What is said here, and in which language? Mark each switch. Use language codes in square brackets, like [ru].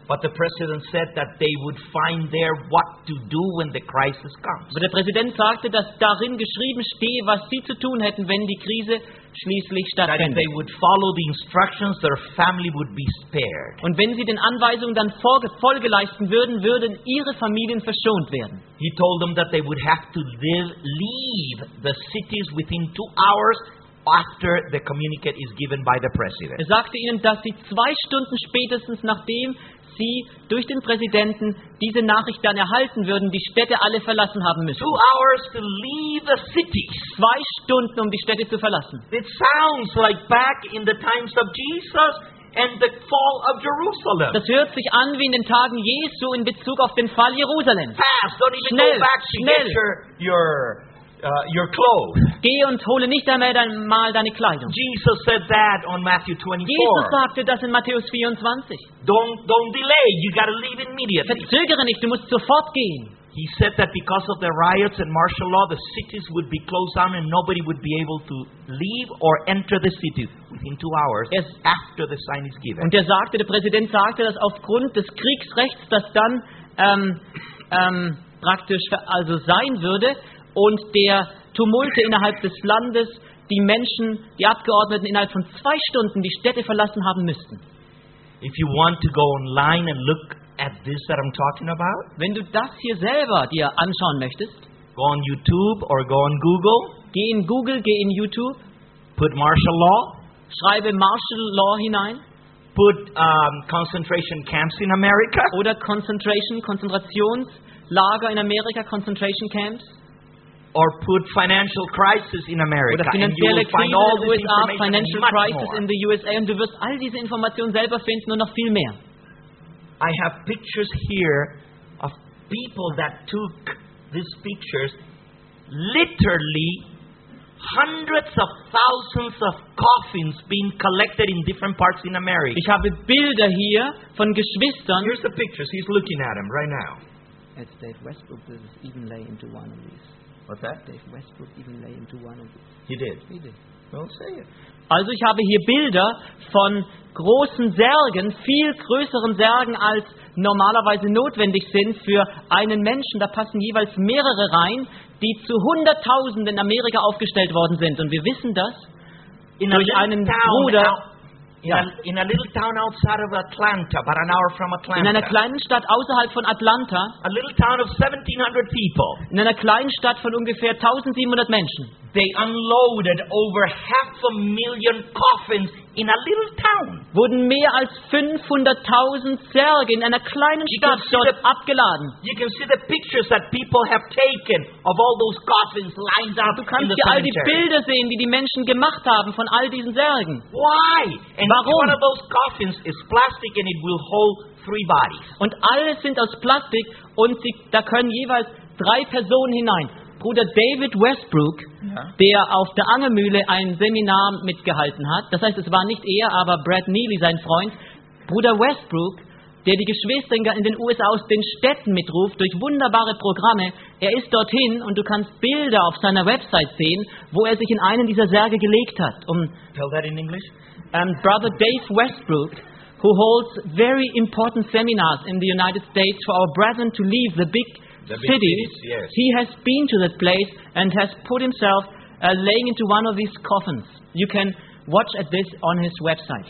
[en] But the president said that they would find there what to do when the crisis comes. [de] Aber der Präsident sagte, dass darin geschrieben stehe, was sie zu tun hätten, wenn die Krise schließlich stattfindet. [en] That if they would follow the instructions, their family would be spared. [de] Und wenn sie den Anweisungen dann Folge leisten würden, würden ihre Familien verschont werden. [en] He told them that they would have to leave the cities within 2 hours. After the communique is given by the president. [de] Er sagte ihnen, dass sie 2 Stunden spätestens, nachdem sie durch den Präsidenten diese Nachricht dann erhalten würden, die Städte alle verlassen haben müssen. [en] 2 hours to leave the cities. [de] 2 Stunden, um die Städte zu verlassen. [en] It sounds like back in the times of Jesus and the fall of Jerusalem. [de] Das hört sich an wie in den Tagen Jesu in Bezug auf den Fall Jerusalems. [en] Fast, don't even [de] schnell, [en] go back to [de] schnell. [en] Get your clothes. [de] Geh und hole nicht einmal deine Kleidung. [en] Jesus said that on Matthew 24. [de] Jesus sagte das in Matthäus 24. [en] Don't delay. You got to leave immediately. [de] Verzögere nicht. Du musst sofort gehen. [en] He said that because of the riots and martial law, the cities would be closed down and nobody would be able to leave or enter the city within 2 hours after the sign is given. [de] Und er sagte, der Präsident sagte, dass aufgrund des Kriegsrechts, das dann praktisch also sein würde. Und der Tumulte innerhalb des Landes, die Menschen, die Abgeordneten innerhalb von 2 Stunden die Städte verlassen haben müssten. [en] If you want to go online and look at this that I'm talking about, [de] wenn du das hier selber dir anschauen möchtest, [en] go on YouTube or go on Google. [de] Geh in Google, geh in YouTube. [en] Put martial law. [de] Schreibe Martial Law hinein. [en] Put concentration camps in America. [de] Oder Konzentrationslager in Amerika, concentration camps. [en] Or put financial crisis in America. [de] Oder finanzielle Krise in den USA, financial crisis in the USA, und du wirst all diese Informationen selber finden und noch viel mehr. [en] I have pictures here of people that took these pictures, literally hundreds of thousands of coffins being collected in different parts in America. [de] Ich habe Bilder hier von Geschwistern. [en] Here's the pictures. He's looking at them right now. As Dave Westbrook does even lay into one of these. What's that? Dave Westbrook even lay into one of these. He did. He did. Well, say it. [de] Also ich habe hier Bilder von großen Särgen, viel größeren Särgen als normalerweise notwendig sind für einen Menschen. Da passen jeweils mehrere rein, die zu Hunderttausenden in Amerika aufgestellt worden sind. Und wir wissen das in durch einen Bruder. [en] In a little town outside of Atlanta, about an hour from Atlanta. [de] In einer kleinen Stadt außerhalb von Atlanta. [en] A little town of 1,700 people. [de] In einer kleinen Stadt von ungefähr 1,700 Menschen. [en] They unloaded over 500,000 coffins in a little town. [de] Wurden mehr als 500,000 Särge in einer kleinen Stadt dort abgeladen. [en] You can see the pictures that people have taken of all those coffins lined up in the [de] cemetery. Du kannst hier all die Bilder sehen, die die Menschen gemacht haben von all diesen Särgen. [en] Why? [de] And warum? [en] Each one of those coffins is plastic and it will hold 3 bodies. [de] Und alle sind aus Plastik und sie, da können jeweils 3 Personen hinein. Bruder David Westbrook, der auf der Angelmühle ein Seminar mitgehalten hat, das heißt, es war nicht er, aber Brad Neely, sein Freund, Bruder Westbrook, der die Geschwister in den USA aus den Städten mitruft, durch wunderbare Programme, er ist dorthin und du kannst Bilder auf seiner Website sehen, wo er sich in einen dieser Särge gelegt hat. [en] Tell that in English. Brother Dave Westbrook, who holds very important seminars in the United States for our brethren to leave the big cities, yes. He has been to that place and has put himself laying into one of these coffins. You can watch at this on his website.